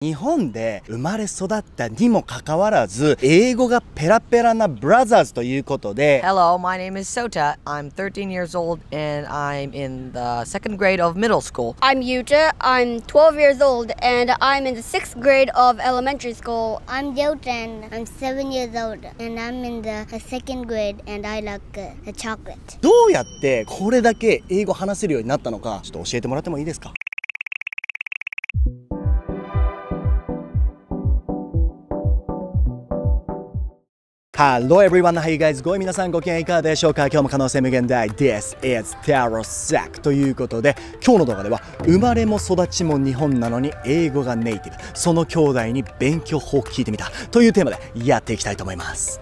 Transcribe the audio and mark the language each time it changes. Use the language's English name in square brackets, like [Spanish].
[Japanese] 日本で生まれ育ったにもかかわらず英語がペラペラなブラザーズということで [English] Hello, my name is Sota. I'm 13 years old and I'm in the second grade of middle school. I'm Yuta. I'm 12 years old and I'm in the sixth grade of elementary school. I'm Jotan. I'm 7 years old and I'm in the second grade and I like the chocolate. [Japanese] どうやってこれだけ英語話せるようになったのかちょっと教えてもらってもいいですか？ [English] Hello everyone, how you guys going? [Japanese] 皆さんご機嫌いかがでしょうか？今日も可能性無限大 [English] This is Taro Sack [Japanese] ということで今日の動画では生まれも育ちも日本なのに英語がネイティブその兄弟に勉強法を聞いてみたというテーマでやっていきたいと思います。